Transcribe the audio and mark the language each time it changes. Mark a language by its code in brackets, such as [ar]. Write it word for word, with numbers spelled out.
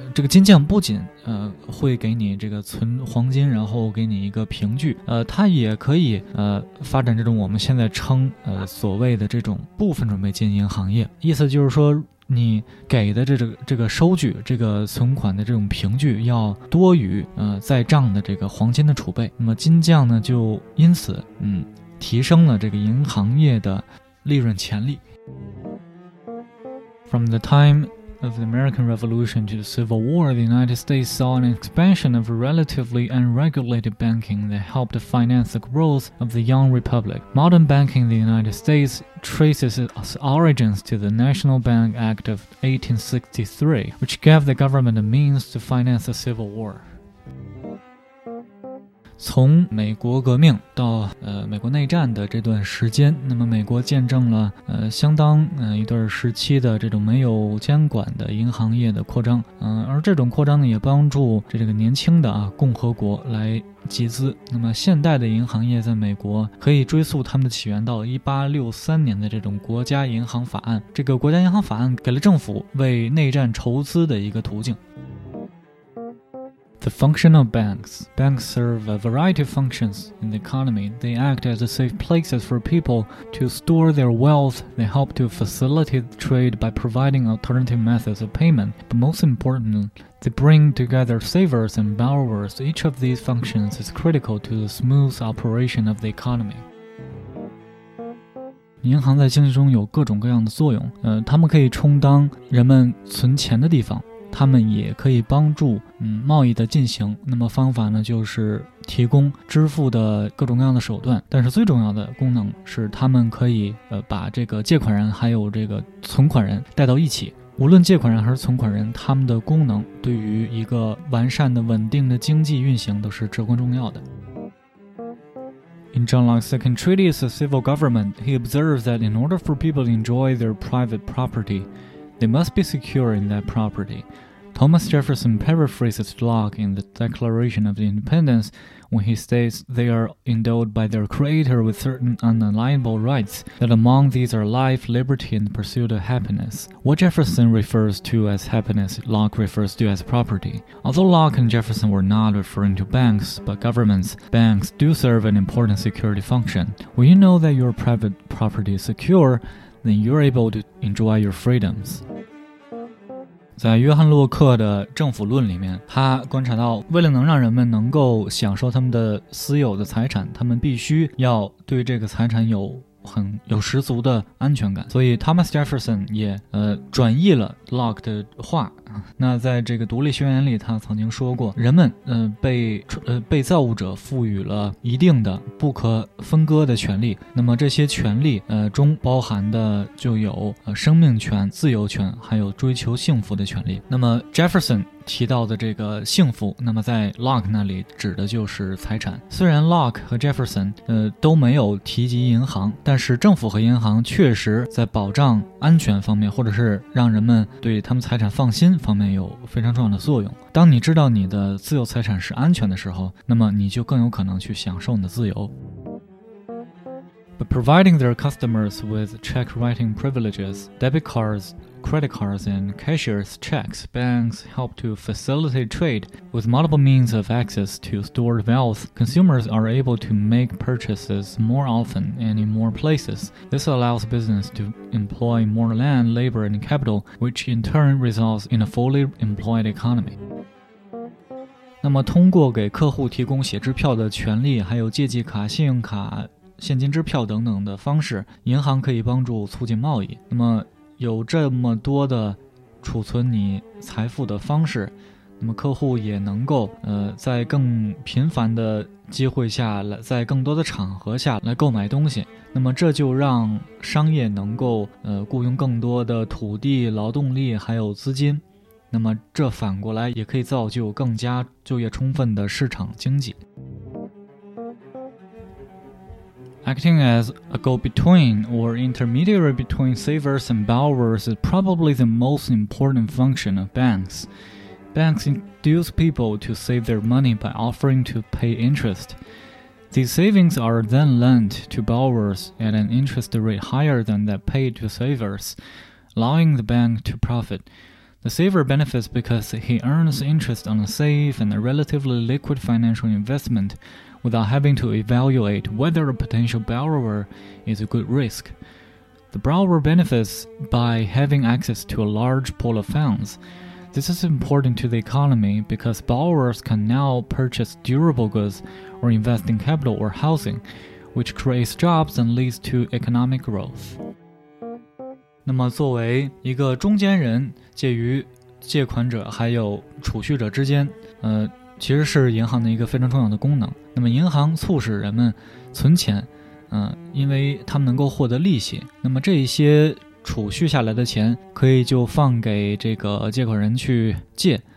[zh] 这个金匠不仅呃会给你这个存黄金，然后给你一个凭据，呃，它也可以呃发展这种我们现在称呃所谓的这种部分准备金银行业，意思就是说。你给的这个这个收据，这个存款的这种凭据要多于呃在账的这个黄金的储备，那么金匠呢就因此嗯提升了这个银行业的利润潜力。 [en] From the time of the American Revolution to the Civil War, the United States saw an expansion of relatively unregulated banking that helped finance the growth of the young republic. Modern banking in the United States traces its origins to the National Bank Act of eighteen sixty-three, which gave the government a means to finance the Civil War. [zh] 从美国革命到呃美国内战的这段时间，那么美国见证了呃相当呃一段时期的这种没有监管的银行业的扩张，嗯、呃，而这种扩张呢也帮助这个年轻的啊共和国来集资。那么现代的银行业在美国可以追溯他们的起源到一八六三年的这种国家银行法案，这个国家银行法案给了政府为内战筹资的一个途径。 [en] The function of banks. Banks serve a variety of functions in the economy. They act as safe places for people to store their wealth. They help to facilitate trade by providing alternative methods of payment. But most importantly, they bring together savers and borrowers. Each of these functions is critical to the smooth operation of the economy. [zh] 银行在经济中有各种各样的作用，呃，它们可以充当人们存钱的地方。他们也可以帮助嗯贸易的进行，那么方法呢就是提供支付的各种各样的手段，但是最重要的功能是他们可以呃把这个借款人还有这个存款人带到一起。无论借款人还是存款人，他们的功能对于一个完善的稳定的经济运行都是至关重要的。 [en] In John Locke's second treatise of civil government, he observes that in order for people to enjoy their private property, they must be secure in that property. Thomas Jefferson paraphrases Locke in the Declaration of Independence when he states they are endowed by their Creator with certain unalienable rights, that among these are life, liberty, and the pursuit of happiness. What Jefferson refers to as happiness, Locke refers to as property. Although Locke and Jefferson were not referring to banks, but governments, banks do serve an important security function. When you know that your private property is secure, then you're able to enjoy your freedoms. [zh] 在约翰·洛克的《政府论》里面，他观察到，为了能让人们能够享受他们的私有的财产，他们必须要对这个财产有很有十足的安全感。所以 Thomas Jefferson 也呃转译了 Locke 的话。那在这个独立宣言里，他曾经说过，人们呃被呃被造物者赋予了一定的不可分割的权利。那么这些权利呃中包含的就有呃生命权、自由权，还有追求幸福的权利。那么 Jefferson 提到的这个幸福，那么在 Locke 那里指的就是财产。虽然 Locke 和 Jefferson 呃都没有提及银行，但是政府和银行确实在保障安全方面，或者是让人们对他们财产放心。方面有非常重要的作用。当你知道你的自由财产是安全的时候，那么你就更有可能去享受你的自由。 [en] But providing their customers with check writing privileges, debit cards, credit cards, and cashier's checks, banks help to facilitate trade. With multiple means of access to stored wealth, consumers are able to make purchases more often and in more places. This allows business to employ more land, labor, and capital, which in turn results in a fully employed economy. [zh] 那么，通过给客户提供写支票的权利，还有借记卡、信用卡现金支票等等的方式，银行可以帮助促进贸易。那么有这么多的储存你财富的方式，那么客户也能够呃在更频繁的机会下来，在更多的场合下来购买东西。那么这就让商业能够呃雇佣更多的土地、劳动力还有资金。那么这反过来也可以造就更加就业充分的市场经济。 [en] Acting as a go-between or intermediary between savers and borrowers is probably the most important function of banks. Banks induce people to save their money by offering to pay interest. These savings are then lent to borrowers at an interest rate higher than that paid to savers, allowing the bank to profit. The saver benefits because he earns interest on a safe and a relatively liquid financial investment without having to evaluate whether a potential borrower is a good risk. The borrower benefits by having access to a large pool of funds. This is important to the economy because borrowers can now purchase durable goods or invest in capital or housing, which creates jobs and leads to economic growth. [zh] 那么作为一个中间人，介于借款者还有储蓄者之间，呃，其实是银行的一个非常重要的功能。那么银行促使人们存钱，嗯、呃，因为他们能够获得利息。那么这一些储蓄下来的钱，可以就放给这个借款人去借。